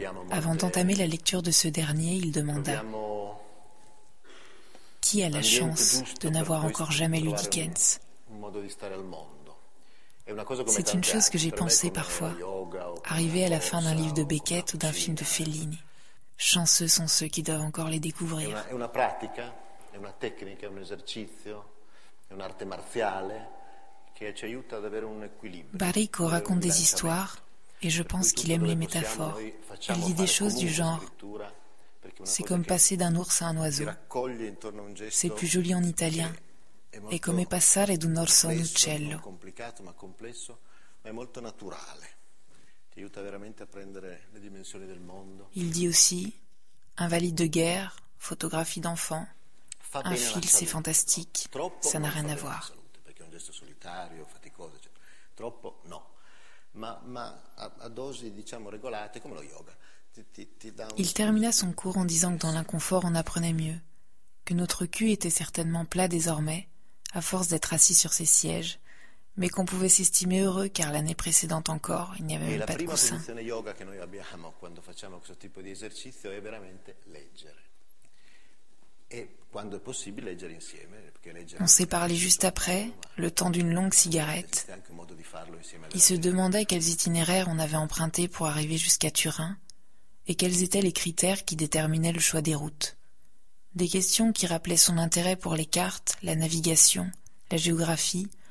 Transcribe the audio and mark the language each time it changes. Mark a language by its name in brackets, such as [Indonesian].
[French] Avant d'entamer la lecture de ce dernier, il demanda « Qui a la chance de n'avoir encore jamais lu Dickens ?» C'est une chose que j'ai pensé parfois, arrivé à la fin d'un livre de Beckett ou d'un film de Fellini. Chanceux sont ceux qui doivent encore les découvrir. [Italian] È una pratica, è una tecnica, è un esercizio, è un'arte marziale che ci aiuta ad avere un equilibrio. [French] Baricco raconte des histoires et je pense qu'il aime les métaphores. Il dit des choses du genre c'est comme passer d'un ours à un oiseau. C'est plus joli en italien. [Italian] È come passare d'un orso a un uccello. Complicato, ma complesso, ma è molto naturale. Aiuta veramente a prendere le dimensioni del mondo. [French] Il dit aussi invalide de guerre, photographie d'enfant, un fil, c'est fantastique, ça n'a rien à voir. [Italian] Perché è un gesto solitario, faticoso, eccetera. Troppo no. Ma a dosi diciamo regolate, come lo yoga. [French] Il termina son cours en disant que dans l'inconfort on apprenait mieux, que notre cul était certainement plat désormais à force d'être assis sur ses sièges. Mais qu'on pouvait s'estimer heureux car l'année précédente encore, il n'y avait même pas de coussin. [Italian] La prima posizione yoga che noi abbiamo quando facciamo questo tipo di esercizio è veramente leggere. E quando è possibile leggere insieme, perché leggere. [French] On s'est parlé juste après, le temps d'une longue cigarette. Il se demandait quels itinéraires on avait empruntés pour arriver jusqu'à Turin et quels étaient les critères qui déterminaient le choix des routes. Des questions qui rappelaient son intérêt pour les cartes, la navigation, la géographie.